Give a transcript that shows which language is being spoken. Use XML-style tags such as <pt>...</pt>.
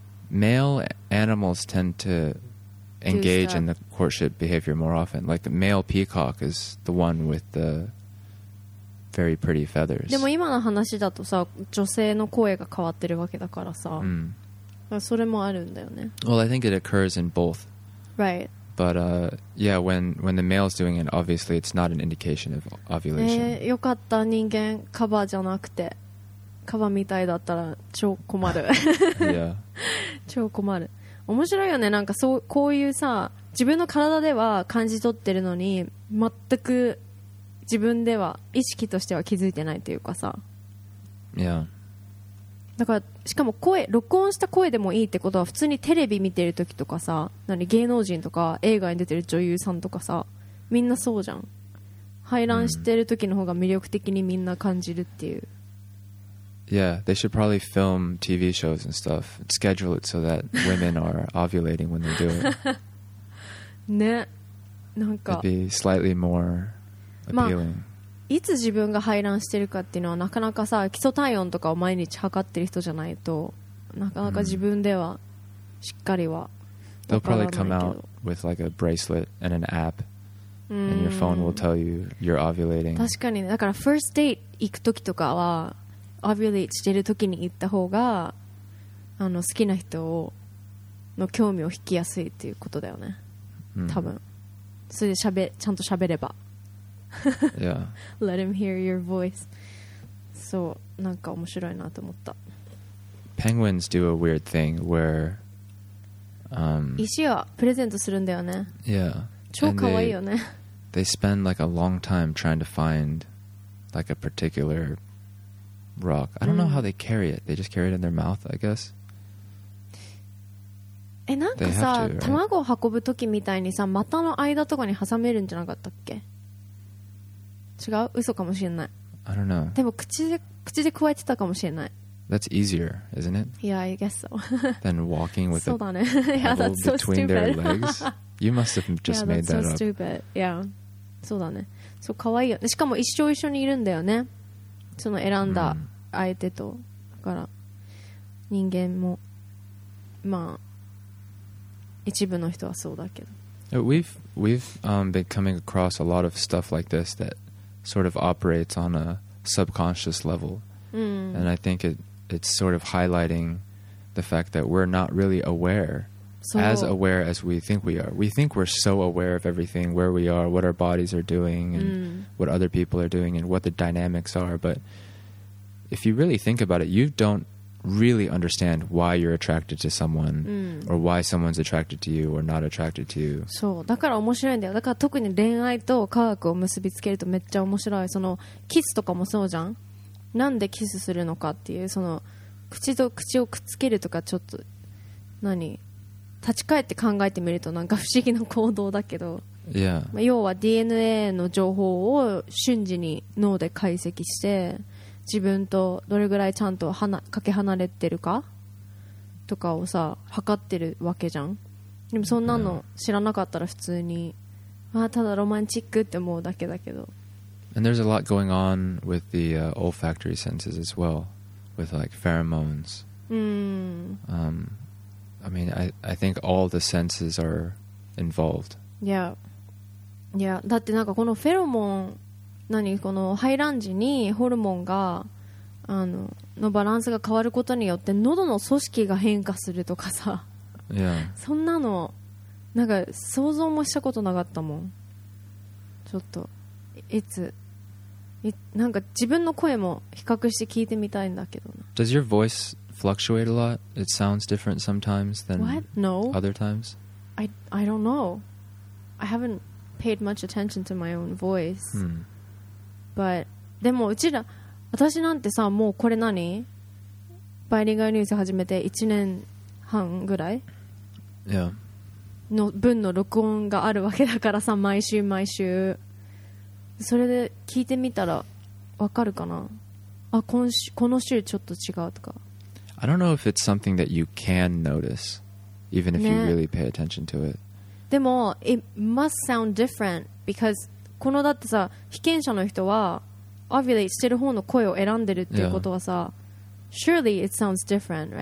<en>Male animals tend to engage in the courtship behavior more often. Like the male peacock is the one with the very pretty feathers.</en> <ja>でも今の話だとさ、女性の声が変わってるわけだからさ、それもあるんだよね。</ja> <en>Well, I think it occurs in both. Right. But yeah, when the male is doing it, obviously it's not an indication of ovulation.</en> <ja>よかった、人間カバじゃなくて。カバみたいだったら超困る超困る面白いよねなんかそうこういうさ自分の体では感じ取ってるのに全く自分では意識としては気づいてないというかさいやだからしかも声録音した声でもいいってことは普通にテレビ見てる時とかさ何芸能人とか映画に出てる女優さんとかさみんなそうじゃん排卵してる時の方が魅力的にみんな感じるっていう</ja> <en>Yeah, they should probably film TV shows and stuff. Schedule it so that women are ovulating when they do it.</en> <ja>ね、なんか</ja> <en>It'd be slightly more appealing.</en> <ja>いつ自分が排卵してるかっていうのはなかなかさ、基礎体温とかを毎日測ってる人じゃないとなかなか自分ではしっかりは分からないけど。</ja> <en>They'll probably come out with like a bracelet and an app, and your phone will tell you you're ovulating.</en> <ja>確かにね。だから first date 行くときとかは。オビュレイトしてる時に行った方が、あの好きな人をの興味を引きやすいっていうことだよね。多分。それでちゃんと喋れば。</ja> <en>Yeah. Let him hear your voice.</en> <ja>そう、なんか面白いなと思った。</ja> <en>Penguins do a weird thing where</en> <ja>石はプレゼントするんだよね。</ja> <en>Yeah.</en> <ja>超可愛いよね。</ja> <en>They spend like a long time trying to find like a particular rock. I don't know how they carry it. They just carry it in their mouth, I guess.</en> <ja>なんかさ、卵を運ぶときみたいにさ、股の間とかに挟めるんじゃなかったっけ？違う？嘘かもしれない。</ja> <en>I don't know.</en> <ja>でも口で加えてたかもしれない。</ja> <en>That's easier, isn't it? Yeah, I guess so. Than walking with a pebble between their legs. You must have just made that up. Yeah, that's so stupid. Yeah.</en> <ja>そうだね。そう、かわいいよ。しかも一生一緒にいるんだよね。その選んだ相手と、だから人間もまあ一部の人はそうだけど。</ja> <en>We've been coming across a lot of stuff like this that sort of operates on a subconscious level. And I think it's sort of highlighting the fact that we're not really aware, as aware as we think we are. We think we're so aware of everything, where we are, what our bodies are doing, and what other people are doing, and what the dynamics are. But if you really think about it, you don't really understand why you're attracted to someone, or why someone's attracted to you or not attracted to you.</en> <ja>そう、だから面白いんだよ。だから特に恋愛と科学を結びつけるとめっちゃ面白い。そのキスとかもそうじゃん。なんでキスするのかっていう、その口と口をくっつけるとかちょっと何立ち返って考えてみるとなんか不思議な行動だけど、</ja> <en>yeah.</en> <ja>要は DNA の情報を瞬時に脳で解析して自分とどれぐらいちゃんとかけ離れてるかとかをさ測ってるわけじゃん。でもそんなの知らなかったら普通に、</ja> <en>yeah.</en> <ja>あただロマンチックって思うだけだけど。</ja> <en>And there's a lot going on with the olfactory senses as well, with like pheromones. I mean, I think all the senses are involved. Yeah. Yeah.</en> <ja>だってなんかこのフェロモン、何この排卵時にホルモンが、あの、のバランスが変わることによって喉の組織が変化するとかさ。</ja> <en>Yeah.</en> <ja>そんなの、なんか想像もしたことなかったもん。ちょっと、なんか自分の声も比較して聞いてみたいんだけどな。</ja> <en>Does your voice... fluctuate a lot? It sounds different sometimes than what? No. Other times? I don't know. I haven't paid much attention to my own voice. But,</en> <ja>でもうちら、私なんてさ、もうこれ何? バイリンガルニュース始めて1年半ぐらい、</ja> <en>yeah.</en> <ja>の分の録音があるわけだからさ、毎週毎週それで聞いてみたらわかるかな、あ、今週この週ちょっと違うとか。</ja> <en>I don't know if it's something that you can notice even if、</en> <ja>ね、</ja> <en>you really pay attention to it.</en> <ja>でも</ja> <en>it must sound different because</en> <ja>このだってさ、被験者の人はオビレイしてる方の声を選んでるっていうことはさ、</ja> <en>yeah. Surely it sounds different, right?</en>